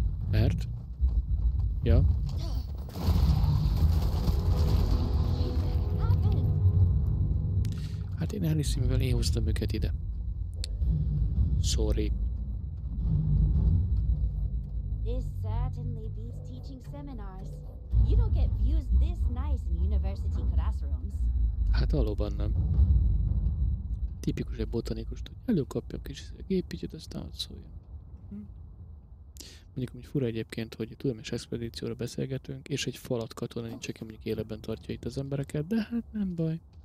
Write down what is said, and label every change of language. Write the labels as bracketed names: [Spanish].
[Hungarian] Mert? Ja. Hát én elhiszem, mivel én hoztam őket ide. [English] Sorry. This certainly beats teaching seminars. You don't get views this nice in university classrooms. [Hungarian] Hát valóban nem. Tipikus egy botanikus, hogy előkapja a kis gépítjét, aztán ott szóljon. Mondjuk, hogy fura egyébként, hogy tudományos expedícióra beszélgetünk, és egy falat katona nincs, aki mondjuk életben tartja itt az embereket, de hát nem baj.